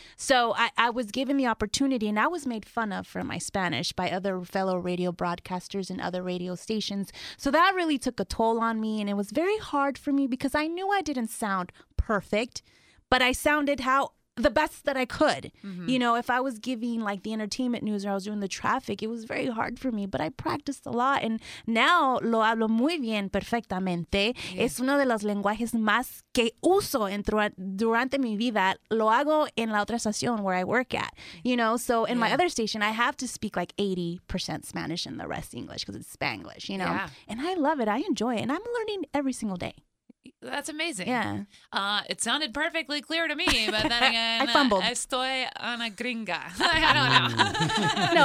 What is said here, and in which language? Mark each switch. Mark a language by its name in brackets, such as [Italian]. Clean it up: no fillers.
[English] So I was given the opportunity, and I was made fun of for my Spanish by other fellow radio broadcasters and other radio stations. So that really took a toll on me, and it was very hard for me because I knew I didn't sound perfect. But I sounded how the best that I could. Mm-hmm. You know, if I was giving like the entertainment news or I was doing the traffic, it was very hard for me. But I practiced a lot. And now, [Spanish] lo hablo muy bien, perfectamente. Yeah. Es uno de los lenguajes más que uso durante mi vida. Lo hago en la otra estación where I work at. [English] You know, so in my other station, I have to speak like 80% Spanish and the rest English because it's Spanglish, you know. Yeah. And I love it. I enjoy it. And I'm learning every single day. That's amazing. Yeah. It sounded perfectly clear to me, but then again, I fumbled. [Spanish] Estoy una gringa. [English] I don't know.